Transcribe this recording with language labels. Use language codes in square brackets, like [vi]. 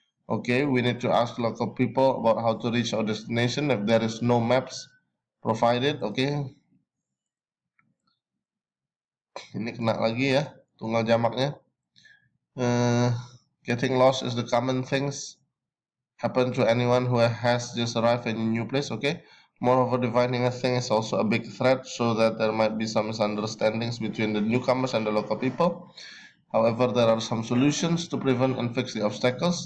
[en] Okay, we need to ask local people about how to reach our destination if there is no maps provided. [id] Okay, ini kena lagi ya tunggal jamaknya. [en] Getting lost is the common things happen to anyone who has just arrived in a new place, okay? Moreover, defining a thing is also a big threat so that there might be some misunderstandings between the newcomers and the local people. However, there are some solutions to prevent and fix the obstacles.